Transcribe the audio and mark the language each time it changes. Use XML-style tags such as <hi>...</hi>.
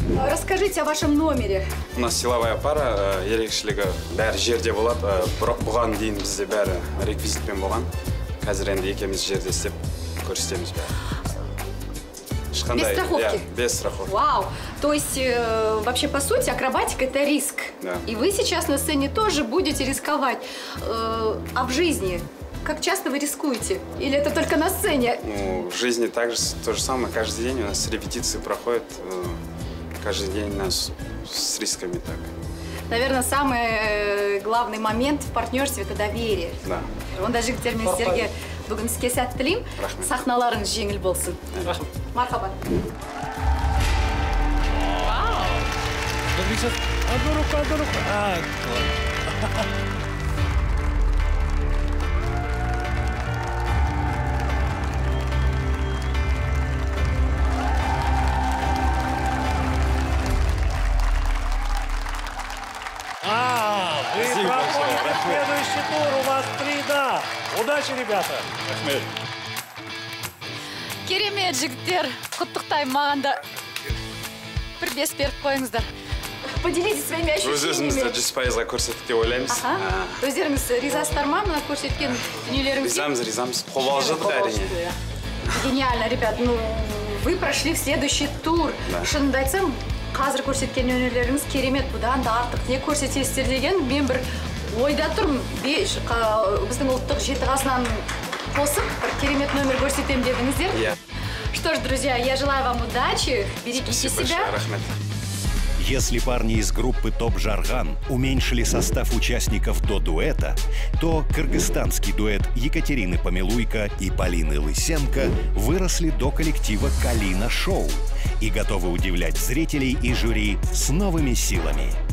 <ru>Расскажите о вашем номере. У нас силовая пара,</ru> <kk>ерекшелігі бәр жерде болады. Бірақ бұған дейін бізде бәрі реквизитпен болған. Қазір енді екеміз жерде істеп көрсетеміз бәрі.</kk> <ru>Шықандай, без страховки? Без страховки. Вау! То есть, вообще, по сути, акробатика – это риск. Да. И вы сейчас на сцене тоже будете рисковать. А в жизни? Как часто вы рискуете? Или это только на сцене? Ну, в жизни также то же самое. Каждый день у нас репетиции проходят. Каждый день у нас с рисками так. Наверное, самый главный момент в партнерстве – это доверие. Да. Он даже к термину Сергея.</ru> <kk>Бүгін сізге сәт тілеймін. Рахмет. Сахналарын жеңіл болсын. Рахмет. Мархаба.</kk> <ru>Вау! Одну руку, одну руку. А, А, вы проходите. Тимур, у вас 3, да. Удачи, ребята.</ru> <kk>Рахмет. Керемет жігіттер, құттықтай мағанда. Бірбес беріп қойыңыздар.</kk> <ru>Поделитесь своими ощущениями.</ru> <kk>Өзімізді 100% көрсеттікте ойлаймыз. Өздеріңіз ризастар ма мына көрсеткен дүниелеріңізге? Ризамыз, ризамыз. Қобалжыдық әрине.</kk> <ru>Гениально, ребят. Ну, вы прошли в следующий тур.</ru> <kk>Шынымды айтсам, қазір көрсеткен өнерлеріңіз керемет. Бұдан да артық не көрсетесіздер деген мен бір ойда тұрмын. Біздің ұлттық жеті қазынан қосып бір керемет нөмір көрсетем дедіңіздер. Иә.</kk> <ru>Что ж, друзья, я желаю вам удачи. Берегите себя. Спасибо большое, рахмет. Если парни из группы «Топ Жарган» уменьшили состав участников до дуэта, то кыргызстанский дуэт Екатерины Помилуйко и Полины Лысенко выросли до коллектива «Калина Шоу» и готовы удивлять зрителей и жюри с новыми силами.</ru>